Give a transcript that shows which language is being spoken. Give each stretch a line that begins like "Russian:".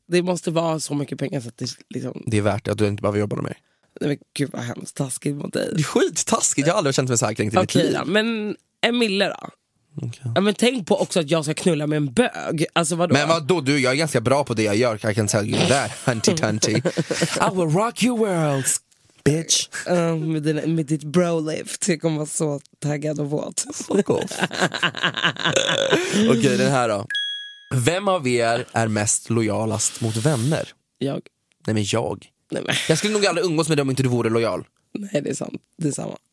Swedish: Det måste vara så mycket pengar så att det liksom... Det är värt det, att du inte behöver jobba med mig. Nej men gud vad hemskt taskigt mot dig. Det är skittaskigt, jag har aldrig känt mig så här kränkt i mitt liv. Men Emille då? Okay. Ja, men tänk på också att jag ska knulla med en bög. Alltså vadå? Men vadå du, jag är ganska bra på det jag gör.
English: I can tell you that, hunty tunty. I will rock your world, bitch.
Swedish: Med ditt bro-lift. Jag kommer vara så taggad och våt.
English: Fuck off.
Swedish: Okej, den här då. Vem av er är mest lojalast mot vänner? Jag. Nej men jag. Nej, men. Jag skulle nog aldrig umgås med dem om inte du vore lojal. Nej, det är sant, det är samma.